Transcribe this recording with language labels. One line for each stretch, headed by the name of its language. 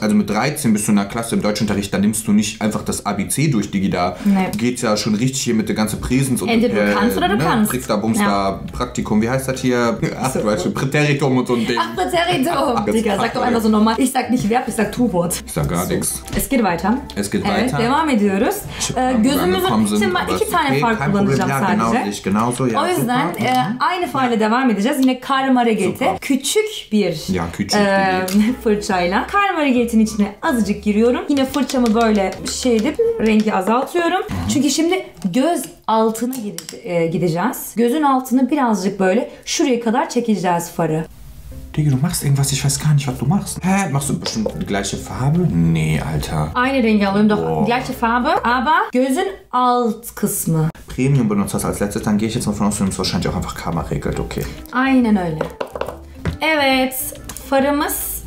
German: Und dann, also mit 13 bist du in der Klasse im Deutschunterricht, dann nimmst du nicht einfach das ABC durch, Digi, da geht's ja schon richtig hier mit der ganzen Präsenz. Und du kannst oder du ne? kannst. Trifft da, bummst da, Praktikum, wie heißt das hier? Ach, so, weißt du, Präteritum und so ein Ding. Ach, Präteritum. Digga, sag doch einfach so normal. Ich sag nicht Verb, ich sag Tu-Wort. Ich sag gar nichts. Es geht weiter. Es geht weiter.
Turkish: Evet, devam ediyoruz. Gözümüzün için iki tane far kullanacağım sadece.
German: Genau, ich genauso, ja,
Turkish: o yüzden aynı farla devam edeceğiz. Yine Karma Regate. Küçük bir fırçayla. Karma Regate'in içine azıcık giriyorum. Yine fırçamı böyle şey edip rengi azaltıyorum. Çünkü şimdi göz altına gideceğiz. Gözün altını birazcık böyle şuraya kadar çekeceğiz farı.
German: Digga, du machst irgendwas, ich weiß gar nicht, was du machst. Hä? Machst du bestimmt die gleiche Farbe? Nee, Alter. Eine Ringe, aber doch die gleiche Farbe, aber
Turkish: Gözün alt kısmı.
German: Premium benutzt das als letztes, dann gehe ich jetzt mal von aus, du nimmst wahrscheinlich auch einfach Karma regelt, okay.
Turkish: Aynen öyle. Evet, farımız.